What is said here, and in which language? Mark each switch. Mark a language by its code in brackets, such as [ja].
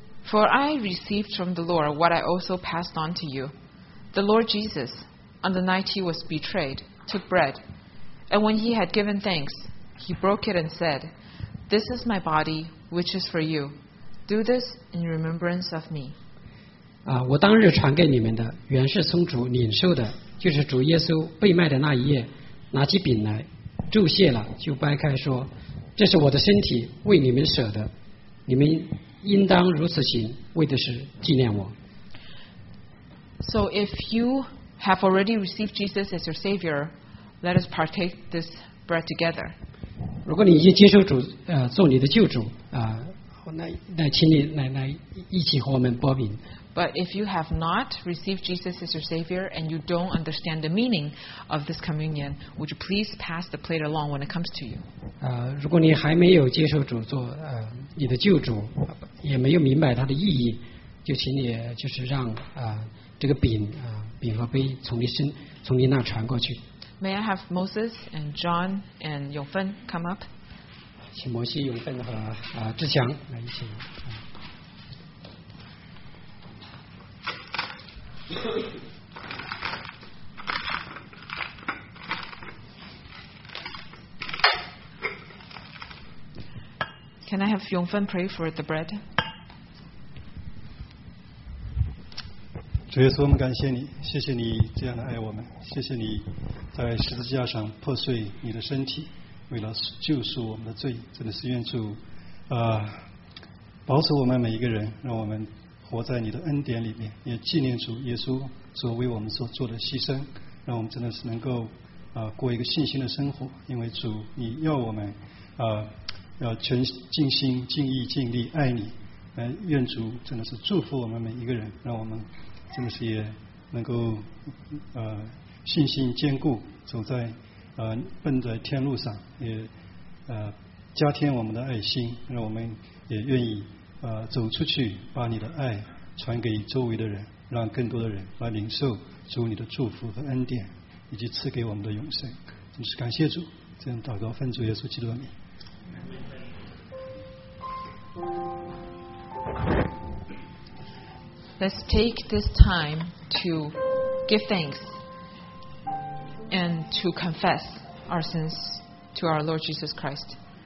[en] For I received from the Lord what I also passed on to you. The Lord Jesus, on the night he was betrayed, took bread. And when he had given thanks, he broke it and said, This is my body, which is for you. Do this in remembrance of me. [zh] 我当日传给你们的，原是从主领受的，就是主耶稣被卖的那一夜，拿起饼来，祝谢了，就掰开说，这是我的身体，为你们舍的，你们应当如此行，为的是纪念我。 [en] So if you have already received Jesus as your Savior, let us partake this bread together. [zh] 如果你已经接受主，做你的救主，那请你来一起和我们擘饼。 [en] But if you have not received Jesus as your Savior and you don't understand the meaning of this communion, would you please pass the plate along when it comes to you? [zh] 如果你还没有接受主做你的救主，也没有明白它的意义，就请你就是让这个饼饼和杯从你那传过去。 [en] May I have Moses and John and Yongfen come up? [zh] 请摩西、永芬和志强来一起。 [en] Can I have Yongfen pray for the bread? [zh] 主耶稣，我们感谢你，谢谢你这样的爱我们，谢谢你在十字架上破碎你的身体，为了救赎我们的罪。真的是愿主保守我们每一个人，让我们活在你的恩典里面，也纪念主耶稣所为我们所做的牺牲，让我们真的是能够过一个信心的生活。因为主，你要我们要全尽心尽意尽力爱你，愿主真的是祝福我们每一个人，让我们真的是也能够信心坚固，走在奔着天路上，也加添我们的爱心，让我们也愿意走出去，把你的爱传给周围的人，让更多的人来领受主你的祝福和恩典，以及赐给我们的永生。真是感谢主，这样祷告奉主耶稣基督的名。 [en] Let's take this time to give thanks and to confess our sins to our Lord Jesus Christ.